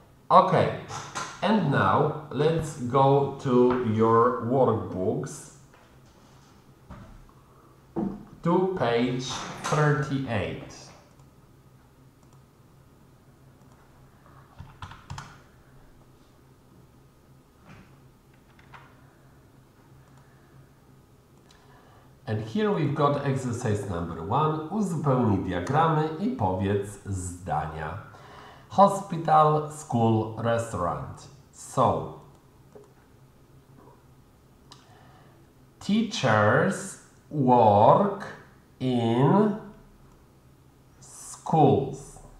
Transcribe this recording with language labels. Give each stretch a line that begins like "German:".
English: Okay, and now let's go to your workbooks to page 38. And here we've got exercise number one.
Polish: Uzupełnij diagramy i powiedz zdania.
English: Hospital, school, restaurant. So, teachers work in schools.